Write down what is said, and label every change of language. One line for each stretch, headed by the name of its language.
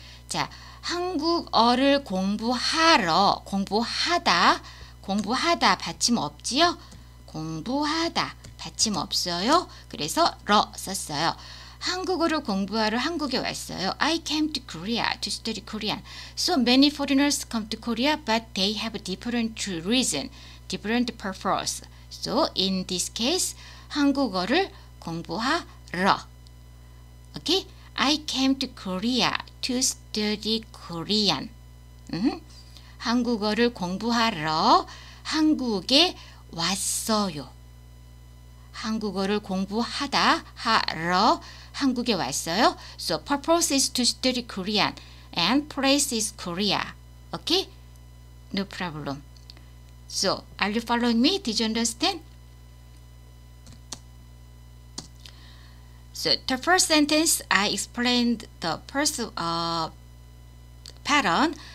Korean: 자, 한국어를 공부하러, 공부하다 받침 없지요? 공부하다. 받침 없어요. 그래서 러 썼어요. 한국어를 공부하러 한국에 왔어요.
English: I came to Korea to study Korean. So many foreigners come to Korea, but they have different reason, different purpose. So in this case,
Korean: 한국어를 공부하러.
English: Okay? I came to Korea to study Korean.
Korean: 한국어를 공부하러 한국에 왔어요. 한국어를 공부하다 하러 한국에 왔어요.
English: So purpose is to study Korean and place is Korea. Okay? No problem. So are you following me? Did you understand? So the first sentence I explained the first pattern.